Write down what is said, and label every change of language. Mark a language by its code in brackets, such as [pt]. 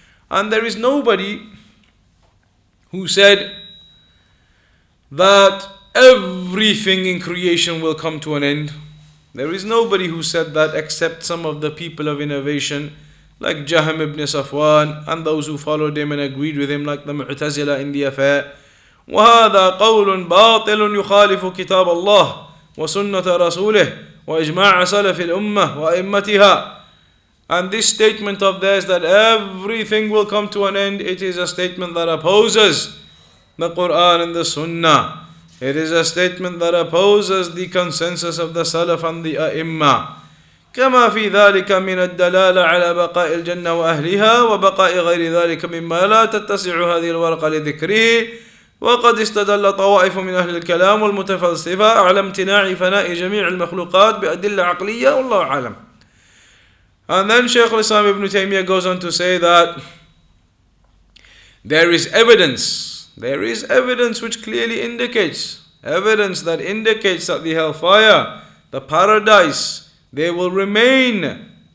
[en] And there is nobody who said that everything in creation will come to an end. There is nobody who said that except some of the people of innovation like Jahm ibn Safwan and those who followed him and agreed with him like the Mu'tazila in the affair. [ar] وهذا قول باطل يخالف كتاب الله وسنة رسوله وإجماع سلف الأمة وأئمتها. [en] And this statement of theirs that everything will come to an end, it is a statement that opposes the Quran and the Sunnah. It is a statement that opposes the consensus of the Salaf and the A'imma. [ar] كما في ذلك من الدلالة على بقاء الجنة وأهلها وبقاء غير ذلك مما لا تتسع هذه الورقة لذكره. وقد استدل طوائف من أهل الكلام والمتفلسفة على امتناع فناء جميع المخلوقات بأدلة عقلية والله أعلم. [en] And then Shaykh al-Islam ibn Taymiyyah goes on to say that there is evidence which clearly indicates, evidence that indicates that the hellfire, the paradise, they will remain.